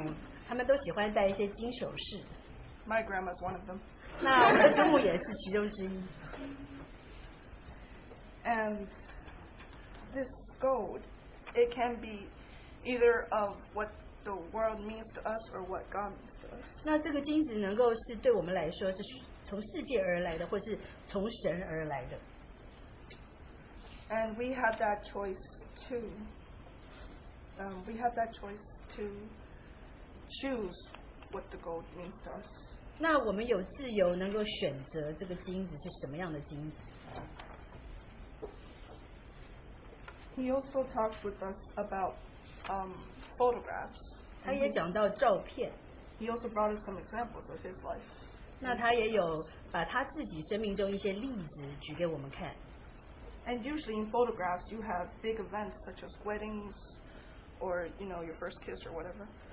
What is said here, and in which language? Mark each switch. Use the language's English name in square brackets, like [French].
[Chinese] 你知道那些亚洲的那些祖母，他们都喜欢戴一些金首饰. [English] My grandma's one of them. [Chinese] 那我的祖母也是其中之一. [English] And this gold, it can be either of what. The world means to us, or what God means to us. [Chinese] 那这个金子能够是对我们来说是从世界而来的，或是从神而来的。 [English] And we have that choice too. We have that choice to choose what the gold means to us. [Chinese] 那我们有自由能够选择这个金子是什么样的金子。 [English] He also talked with us about photographs. [Chinese] 他也讲到照片。 [English] He also brought us some examples of his life. [Chinese] 那他也有把他自己生命中一些例子举给我们看。 [English] And usually in photographs, you have big events such as weddings, or you know your first kiss or whatever.